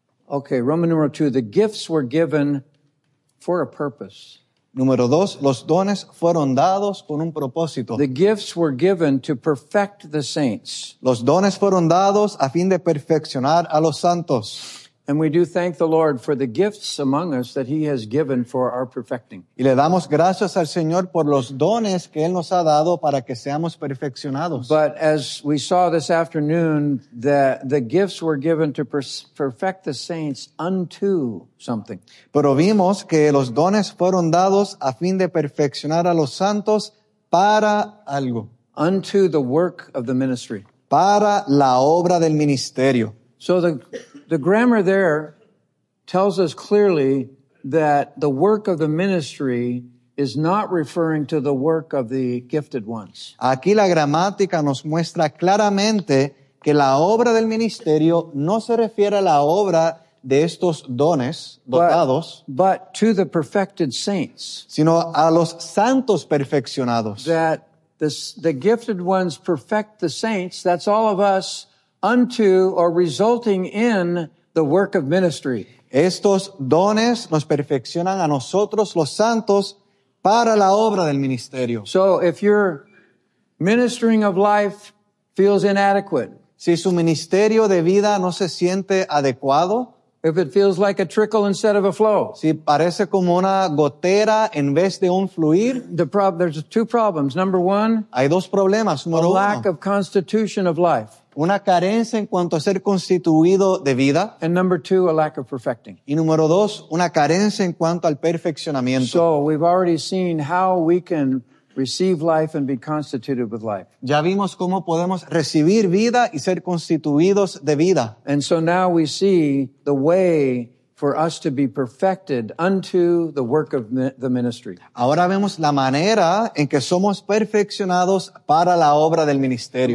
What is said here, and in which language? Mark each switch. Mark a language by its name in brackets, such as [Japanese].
[English] Okay, Roman numeral 2, the gifts were given for a purpose. [Spanish] Número 2, los dones fueron dados con un propósito. [English] The gifts were given to perfect the saints. [Spanish] Los dones fueron dados a fin de perfeccionar a los santos. [English] And we do thank the Lord for the gifts among us that he has given for our perfecting. [Spanish] Y le damos gracias al Señor por los dones que él nos ha dado para que seamos perfeccionados. [English] But as we saw this afternoon, that the gifts were given to perfect the saints unto something. [Spanish] Pero vimos que los dones fueron dados a fin de perfeccionar a los santos para algo. [English] Unto the work of the ministry. [Spanish] Para la obra del ministerio. [English] So the grammar there tells us clearly that the work of the ministry is not referring to the work of the gifted ones. [Spanish] Aquí la gramática nos muestra claramente que la obra del ministerio no se refiere a la obra de estos dones dotados, [English] but to the perfected saints, [Spanish] sino a los santos perfeccionados. [English] That the gifted ones perfect the saints, that's all of us, unto or resulting in the work of ministry. [Spanish] Estos dones nos perfeccionan a nosotros los santos para la obra del ministerio. [English] So if your ministering of life feels inadequate, [Spanish] si su ministerio de vida no se siente adecuado, [English] if it feels like a trickle instead of a flow, [Spanish] si parece como una gotera en vez de un fluir, [English] there's two problems. Number one, [Spanish] hay dos problemas. Número [English] uno, a lack of constitution of life. [Spanish] Una carencia en cuanto a ser constituido de vida. [English] And number two, a lack of perfecting. [Spanish] Y número dos, una carencia en cuanto al perfeccionamiento. [English] So we've already seen how we can receive life and be constituted with life. [Spanish] Ya vimos cómo podemos recibir vida y ser constituidos de vida. [English] And so now we see the way for us to be perfected unto the work of the ministry. [Spanish] Ahora vemos la manera en que somos perfeccionados para la obra del ministerio.